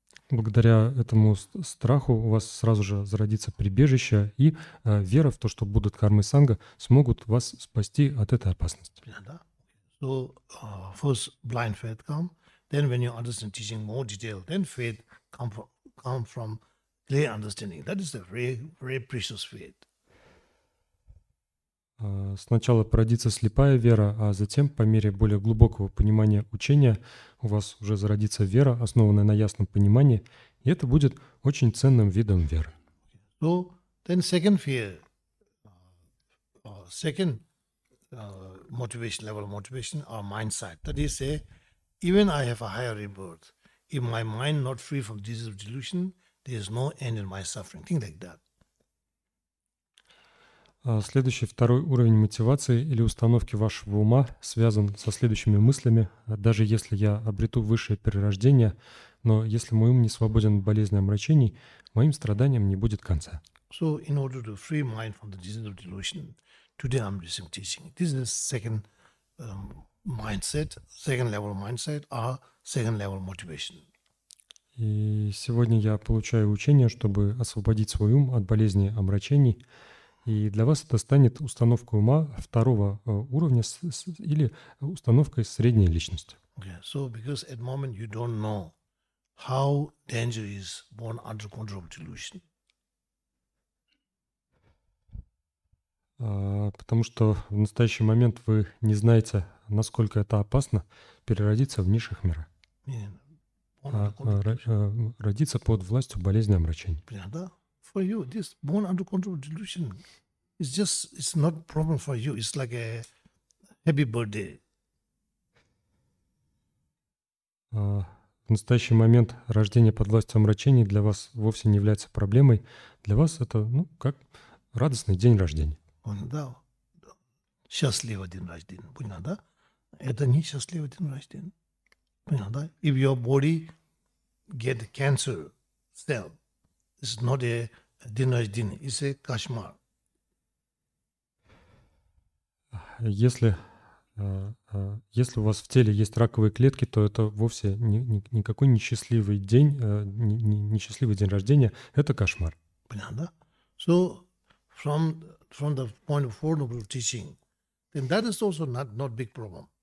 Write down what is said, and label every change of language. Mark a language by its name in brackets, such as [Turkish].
[Russian] Благодаря этому страху у вас сразу же зародится прибежище и вера в то, что будут кармы санга смогут вас спасти от этой опасности. [English] So first blind faith come, then when you understand teaching more detail, then faith come from clear understanding. That is a very very precious faith. [Russian] Сначала породится слепая вера, а затем, по мере более глубокого понимания учения, у вас уже зародится вера, основанная на ясном понимании, и это будет очень ценным видом веры. [English] So, then second fear, second motivation, level of motivation, or mindset. That is, say, even I have a higher rebirth, if my mind not free from disease of delusion, there is no end in my suffering. Think like that. [Russian] Следующий, второй уровень мотивации или установки вашего ума связан со следующими мыслями. Даже если я обрету высшее перерождение, но если мой ум не свободен от болезни и омрачений, моим страданиям не будет конца. [English] So, in order to free mind from the disease of delusion, today I'm receiving teaching. This is the second mindset, second level mindset, or second level motivation. [Russian] И сегодня я получаю учение, чтобы освободить свой ум от болезни и омрачений. И для вас это станет установкой ума второго уровня или установкой средней личности. [English] Okay. So because at the moment you don't know how danger is born under control of delusion. [Russian] Потому что в настоящий момент вы не знаете, насколько это опасно переродиться в низших мирах. Родиться под властью болезни и омрачений. [English] For you, this born under control of delusion. It's just, it's not a problem for you. It's like a happy birthday. [Russian] В настоящий момент рождение под властью омрачений для вас вовсе не является проблемой. Для вас это, ну, как радостный день рождения. Он, да, счастливый день рождения. Понятно, да? Это не счастливый день рождения. Понятно, да? [English] If your body get cancer cell, it's not a [Russian] день рождения. [English] It's a кошмар. [Russian] Если у вас в теле есть раковые клетки, то это вовсе никакой несчастливый день, несчастливый день рождения, это кошмар. Понятно, да? [English] So, from the point of four noble teaching, then that is also not big problem.